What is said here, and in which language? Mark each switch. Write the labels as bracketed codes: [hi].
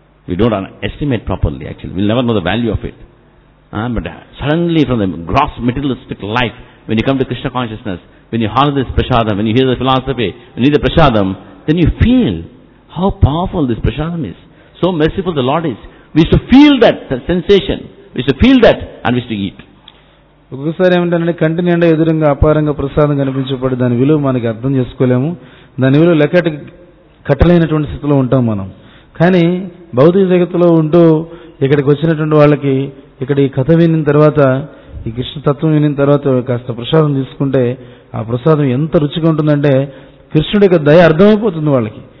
[en] We don't estimate properly actually, will never know the value of it. But suddenly from the gross materialistic life when you come to Krishna consciousness, when you hear this prasadam, when you hear the philosophy, when you hear the prasadam, then you feel how powerful this prasadam is, so merciful the Lord is. We should feel that sensation, we should feel that, and we should eat. [te] ఒకసారి ఏమంటారంటే కంటి నిండా ఎదురుగా అపారంగా ప్రసాదం కనిపించబడి దాని విలువ మనకి అర్థం చేసుకోలేము, దాని విలువ లెక్కటి కట్టలేనటువంటి స్థితిలో ఉంటాం మనం. కానీ భౌతిక జగత్తులో ఉంటూ ఇక్కడికి వచ్చినటువంటి వాళ్ళకి ఇక్కడ ఈ కథ విన్న తర్వాత, ఈ కృష్ణతత్వం విన్న తర్వాత కాస్త ప్రసాదం తీసుకుంటే ఆ ప్రసాదం ఎంత రుచిగా ఉంటుందంటే కృష్ణుడి యొక్క దయ అర్థమైపోతుంది వాళ్ళకి.